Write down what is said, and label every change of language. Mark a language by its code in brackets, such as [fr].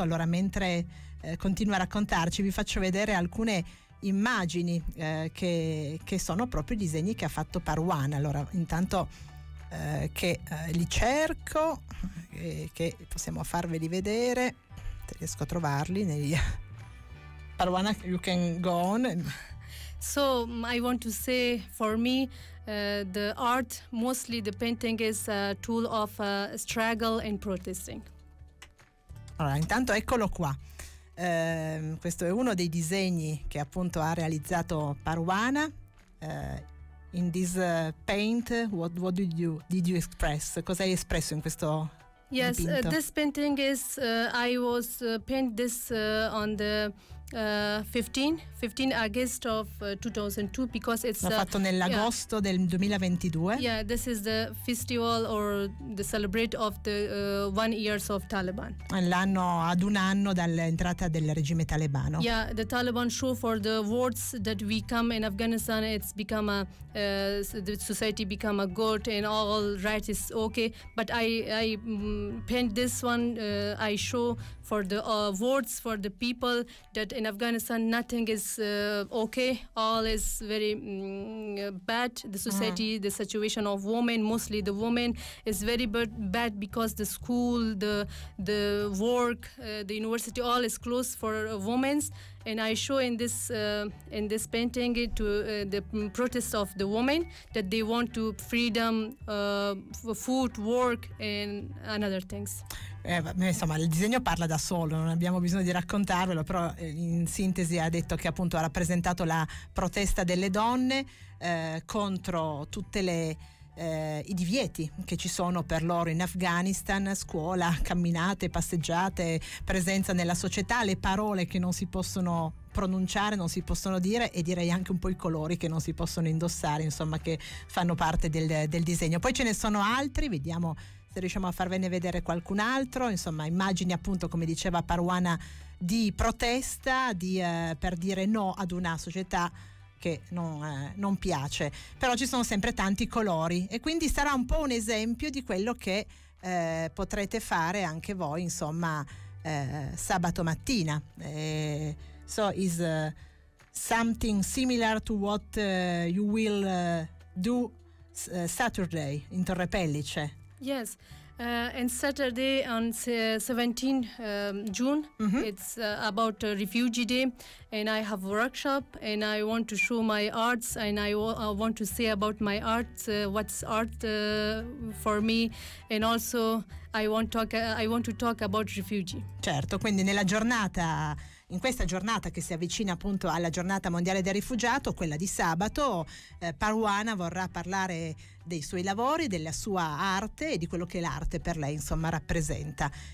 [it] Allora, mentre continua a raccontarci, vi faccio vedere alcune immagini che sono proprio i disegni che ha fatto Parwana. Allora, intanto che li cerco, che possiamo farveli vedere, se riesco a trovarli negli Parwana, [en] you can go on. So I want to say for me the art, mostly the painting, is a tool of struggle and protesting. [it] Allora, intanto eccolo qua. Questo è uno dei disegni che appunto ha realizzato Parwana. [en] In this paint, what did you express? [it] Cosa hai espresso in questo dipinto? [en] Yes, this painting is I was paint this on the 15 August of 2002, because it's [it] l'ho fatto nell'agosto del 2022. [en] Yeah, this is the festival or the celebrate of the 1 years of Taliban. [it] L'anno ad un anno dall'entrata del regime talebano. Yeah, the Taliban show for the words that we come in Afghanistan, it's become a the society become a goat and all right is okay. But I paint this one. I show for the words for the people that in Afghanistan nothing is okay, all is very bad, the society, the situation of women, mostly the women, is very bad because the school, the work, the university, all is closed for women. And I show in this painting it to the protest of the women, that they want to freedom, food, work and other things. Insomma, il disegno parla da solo, non abbiamo bisogno di raccontarvelo, però in sintesi ha detto che appunto ha rappresentato la protesta delle donne contro tutte le i divieti che ci sono per loro in Afghanistan, scuola, camminate, passeggiate, presenza nella società, le parole che non si possono pronunciare, non si possono dire, e direi anche un po' i colori che non si possono indossare, insomma, che fanno parte del disegno. Poi ce ne sono altri, vediamo se riusciamo a farvene vedere qualcun altro, insomma, immagini appunto, come diceva Parwana, di protesta, di per dire no ad una società che non piace, però ci sono sempre tanti colori, e quindi sarà un po' un esempio di quello che potrete fare anche voi, insomma, sabato mattina. [en] So is something similar to what you will do Saturday in Torre Pellice. Yes. And Saturday on 17 June, mm-hmm. it's about Refugee Day, and I have a workshop, and I want to show my arts, and I want to say about my art, what's art for me, and also I want to talk about refugee. [it] Certo, quindi nella giornata, in questa giornata che si avvicina appunto alla giornata mondiale del rifugiato, quella di sabato, Parwana vorrà parlare dei suoi lavori, della sua arte e di quello che l'arte per lei, insomma, rappresenta.